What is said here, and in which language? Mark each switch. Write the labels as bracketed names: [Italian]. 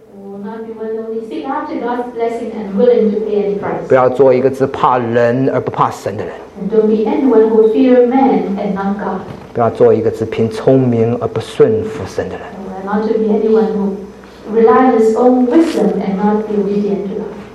[English] We will not be one who only seek after after God's blessing and willing to pay any price. [Chinese] 不要做一个只怕人而不怕神的人。 [English] And don't be anyone who fear man and not God. [Chinese] 不要做一个只凭聪明而不顺服神的人。 [English] And not to be anyone who rely on his own wisdom and not be obedient to God.